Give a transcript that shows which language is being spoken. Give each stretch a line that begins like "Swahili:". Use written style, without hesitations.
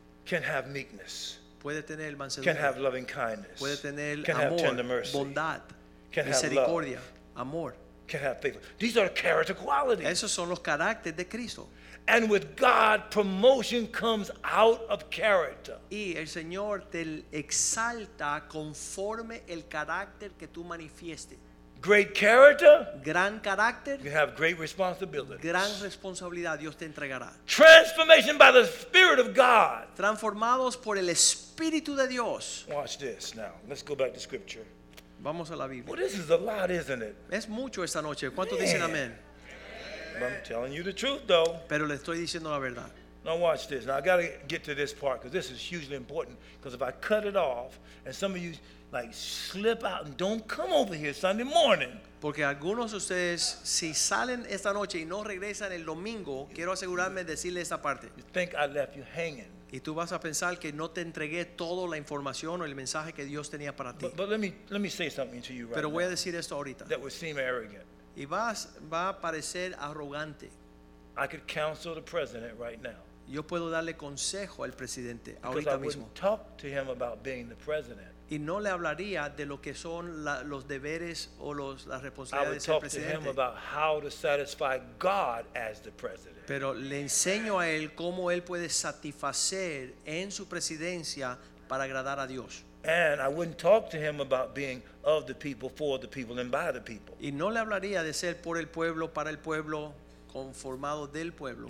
English: can have meekness,
Spanish: puede tener mansedumbre,
English: can have loving kindness,
Spanish: puede tener
English: can
Spanish: amor,
English: have tender mercy,
Spanish: bondad,
English: can
Spanish: misericordia.
English: Have love.
Spanish: Amor.
English: Can have faith. These are character qualities.
Spanish: Esos son los caracteres de Cristo.
English: And with God, promotion comes out of character.
Spanish: Y el Señor te exalta conforme el carácter que tú manifiestes.
English: Great character.
Spanish: Gran carácter.
English: You have great responsibilities.
Spanish: Gran responsabilidad Dios te entregará.
English: Transformation by the Spirit of God.
Spanish: Transformados por el Espíritu de Dios.
English: Watch this now. Let's go back to Scripture.
Spanish: Vamos a la Biblia.
English: Well, this is a lot, isn't it?
Spanish: Es mucho esta noche. ¿Cuántos dicen amén?
English: I'm telling you the truth, though.
Spanish: Pero le estoy diciendo la verdad.
English: Now watch this. Now I got to get to this part because this is hugely important. Because if I cut it off and some of you like slip out and don't come over here Sunday morning.
Spanish: Porque algunos de ustedes si salen esta noche y no regresan el domingo, quiero asegurarme de decirle esta parte.
English: You think I left you hanging?
Spanish: Y tú vas a pensar que no te entregué toda la información o el mensaje que Dios tenía para ti. Pero voy a decir esto ahorita.
English: That would seem arrogant.
Spanish: Y va a parecer arrogante.
English: I could counsel the president right now.
Spanish: Yo puedo darle consejo al presidente
English: because
Spanish: ahorita
English: I
Spanish: mismo.
English: Talk to him about being the president.
Spanish: Y no le hablaría de lo que son los deberes o las responsabilidades del
English: presidente. I would talk to him about how to satisfy God as the president.
Spanish: Pero le enseño a él cómo él puede satisfacer en su presidencia para agradar a Dios.
English: And I wouldn't talk to him about being of the people, for the people, and by the people.
Spanish: Y no le hablaría de ser por el pueblo, para el pueblo, conformado del pueblo.